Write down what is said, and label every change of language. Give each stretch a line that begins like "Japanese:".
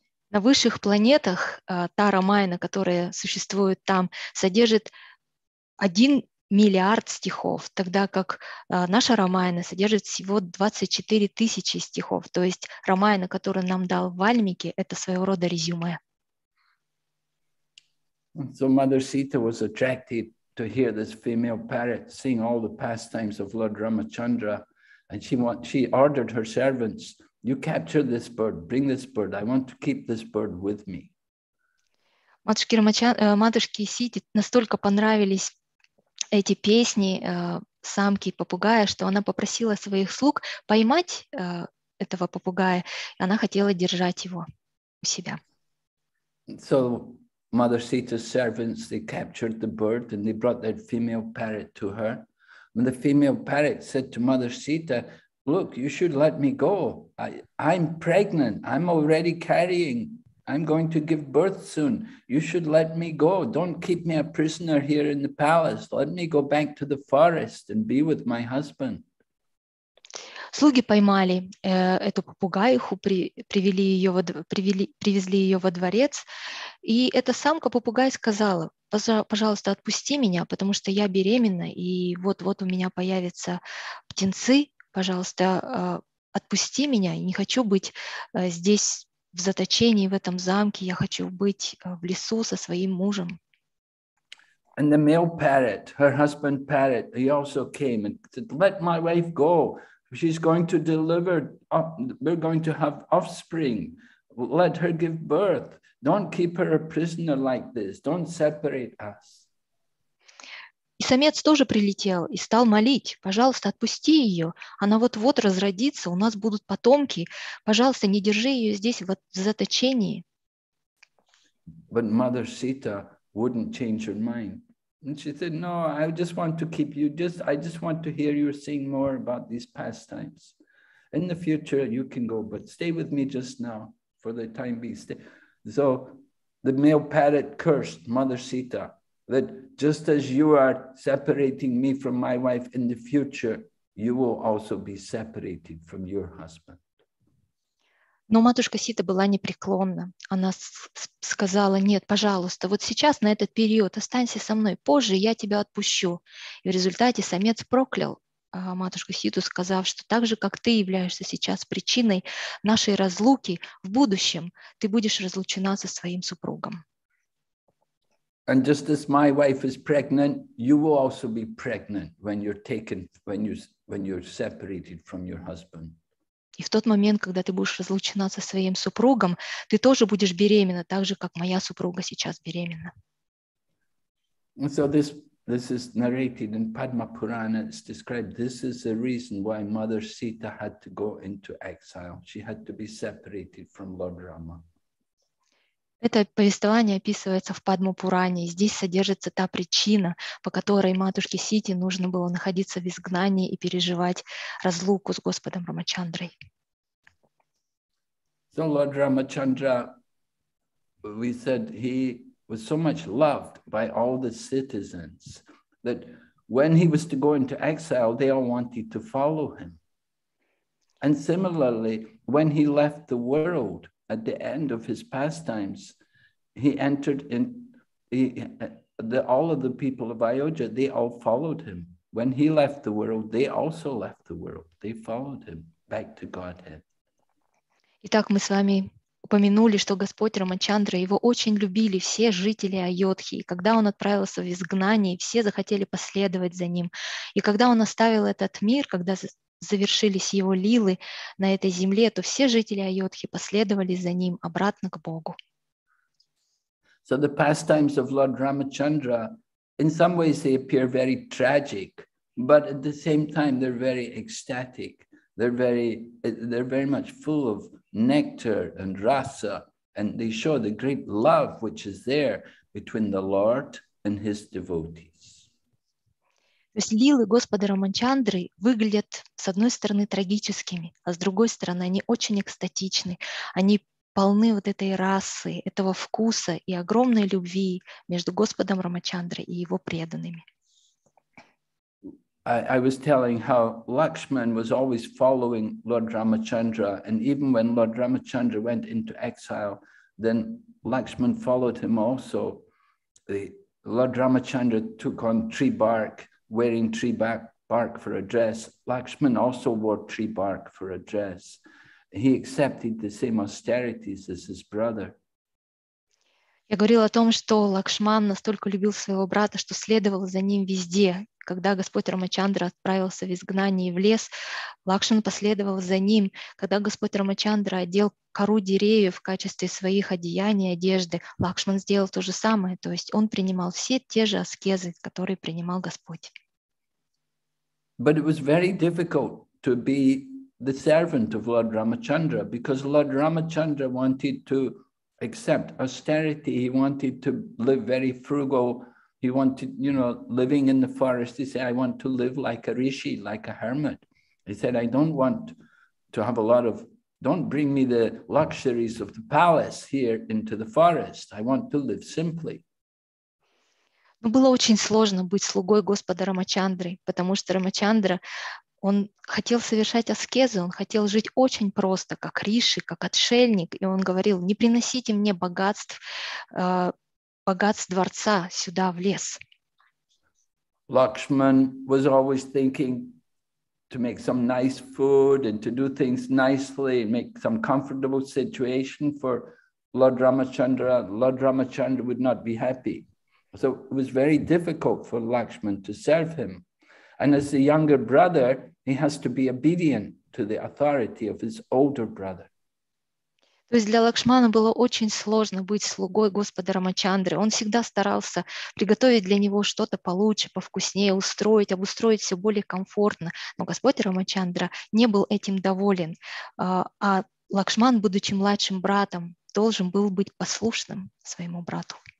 Russian: На высших планетах та Рамайна, которая существует там, содержит 1 миллиард стихов, тогда как наша Рамайна содержит всего 24 тысячи стихов. То есть Рамайна, которую нам дал Вальмики, это своего рода резюме.
English: So Mother Sita was attracted to hear this female parrot sing all the pastimes of Lord Ramachandra, and she ordered her servants, you capture this bird, bring this bird. I want to keep this bird with me.
Russian: Матушке Сите настолько понравились эти песни самки попугая, что она попросила своих слуг поймать этого попугая. Она хотела держать его у себя.
English: So Mother Sita's servants, they captured the bird and they brought that female parrot to her. And the female parrot said to Mother Sita, look, you should let me go. I'm pregnant. I'm already carrying. I'm going to give birth soon. You should let me go. Don't keep me a prisoner here in the palace. Let me go back to the forest and be with my husband.
Russian: Слуги поймали эту попугайху, привезли ее во дворец. И эта самка попугай сказала, пожалуйста, отпусти меня, потому что я беременна, и вот-вот у меня появятся птенцы. Пожалуйста, отпусти меня, я не хочу быть здесь в заточении, в этом замке, я хочу быть в лесу со своим мужем.
English: And the male parrot, her husband parrot, he also came and said, let my wife go, she's going to deliver, we're going to have offspring, let her give birth, don't keep her a prisoner like this, don't separate us.
Russian: И самец тоже прилетел и стал молить, пожалуйста, отпусти ее, она вот-вот разродится, у нас будут потомки, пожалуйста, не держи ее здесь вот в заточении.
English: But Mother Sita wouldn't change her mind. And she said, no, I just want to keep you, I just want to hear you sing more about these pastimes. In the future you can go, but stay with me just now, for the time being. So the male parrot cursed Mother Sita. That just as you are separating me from my wife in the future, you will also be separated from your husband.
Russian: Но матушка Сита была непреклонна. Она сказала, нет, пожалуйста, вот сейчас на этот период останься со мной, позже я тебя отпущу. И в результате самец проклял матушку Ситу, сказав, что так же, как ты являешься сейчас причиной нашей разлуки, в будущем ты будешь разлучена со своим супругом.
English: And just as my wife is pregnant, you will also be pregnant when you're taken, when you when you're separated from your husband.
Russian: И в тот момент, когда ты будешь разлучена со своим супругом, ты тоже будешь беременна, так же, как моя супруга сейчас беременна.
English: So this is narrated in Padma Purana. It's described, this is the reason why Mother Sita had to go into exile. She had to be separated from Lord Rama.
Russian: Это повествование описывается в Падма Пуране. И здесь содержится та причина, по которой матушке Сити нужно было находиться в изгнании и переживать разлуку с Господом Рамачандрой.
English: So Lord Ramachandra, we said he was so much loved by all the citizens that when he was to go into exile, they all wanted to follow him. And similarly, when he left the world at the end of his pastimes, all of the people of Ayodhya, they all followed him. When he left the world, they also left the world. They followed him back to Godhead.
Russian: Итак, мы с вами упомянули, что Господь Рамачандра, его очень любили все жители Айодхи. И когда он отправился в изгнание, все захотели последовать за ним. И когда он оставил этот мир, когда завершились его лилы на этой земле, то все жители Айодхи последовали за ним обратно к Богу.
English: So the pastimes of Lord Ramachandra, in some ways they appear very tragic, but at the same time they're very ecstatic. They're very much full of nectar and rasa, and they show the great love which is there between the Lord and his devotees.
Russian: То есть лилы Господа Рамачандры выглядят с одной стороны трагическими, а с другой стороны они очень экстатичны. Они полны вот этой расы, этого вкуса и огромной любви между Господом Рамачандрой и его преданными.
English: I was telling how Lakshman was always following Lord Ramachandra, and even when Lord Ramachandra went into exile, then Lakshman followed him also. Lord Ramachandra took on tree bark, wearing tree bark for a dress. Lakshman also wore tree bark for a dress. He accepted the same austerities as his brother.
Russian: Я говорил о том, что Лакшман настолько любил своего брата, что следовал за ним везде. Когда Господь Рамачандра отправился в изгнание в лес, Лакшман последовал за ним. Когда Господь Рамачандра одел кору деревьев в качестве своих одеяний и одежды, Лакшман сделал то же самое. То есть он принимал все те же аскезы, которые принимал Господь.
English: But it was very difficult to be the servant of Lord Ramachandra, because Lord Ramachandra wanted to accept austerity. He wanted to live very frugal. He wanted, you know, living in the forest. He said, I want to live like a rishi, like a hermit. He said, I don't want to have a lot of, don't bring me the luxuries of the palace here into the forest. I want to live simply.
Russian: Но было очень сложно быть слугой Господа Рамачандры, потому что Рамачандра, он хотел совершать аскезы, он хотел жить очень просто, как риши, как отшельник. И он говорил, не приносите мне богатств дворца сюда, в лес.
English: Lakshman was always thinking to make some nice food and to do things nicely, make some comfortable situation for Lord Ramachandra. Lord Ramachandra would not be happy. So it was very difficult for Lakshman to serve him. And as the younger brother, he has to be obedient to the authority of his older brother.
Russian: То есть для Лакшмана было очень сложно быть слугой Господа Рамачандры. Он всегда старался приготовить для него что-то получше, повкуснее, обустроить все более комфортно. Но Господь Рамачандра не был этим доволен. А Лакшман, будучи младшим братом, должен был быть послушным своему брату.